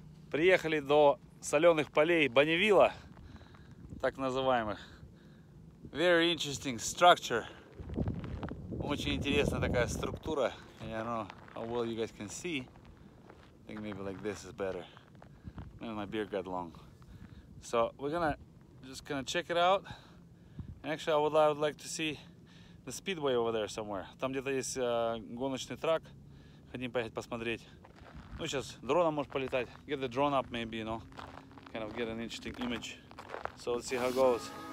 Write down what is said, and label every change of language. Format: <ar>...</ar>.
<ru>Приехали до соленых полей Бонневилла, так называемых.</ru> <en>Very interesting structure.</en> <ru>Очень интересная такая структура.</ru> <en>I don't know how well you guys can see. I think maybe like this is better. Maybe my beard got long. So we're gonna just gonna check it out. Actually, I would like to see the speedway over there somewhere.</en> <ru>Там где-то есть гоночный трак. Хотим поехать посмотреть. Ну, сейчас дроном можешь полетать.</ru> <en>Get the drone up, maybe, you know. Kind of get an interesting image. So, let's see how it goes.</en>